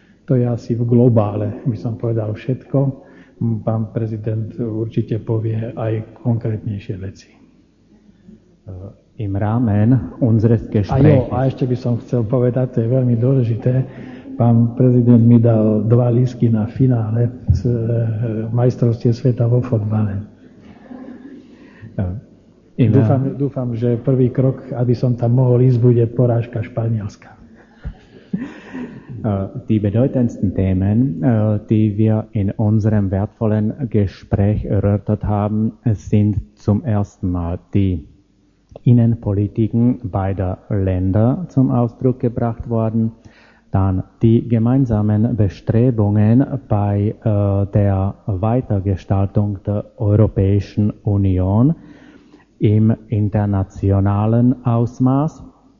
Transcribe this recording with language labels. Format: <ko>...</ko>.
<sk>To je asi v globále, by som povedal všetko. Pán prezident určite povie aj konkrétnejšie veci.</sk> <de>Im Rahmen, unsere Gespräche.</de> <sk>A ešte by som chcel povedať, to je veľmi dôležité. Pán prezident mi dal dva lístky na finále z majstrovstie sveta vo fotbale. Dúfam, že prvý krok, aby som tam mohol ísť, bude porážka Španielska.</sk> <de>Die bedeutendsten Themen, die wir in unserem wertvollen Gespräch erörtert haben, sind zum ersten Mal die Innenpolitiken beider Länder zum Ausdruck gebracht worden, dann die gemeinsamen Bestrebungen bei der Weitergestaltung der Europäischen Union im internationalen Ausmaß.</de>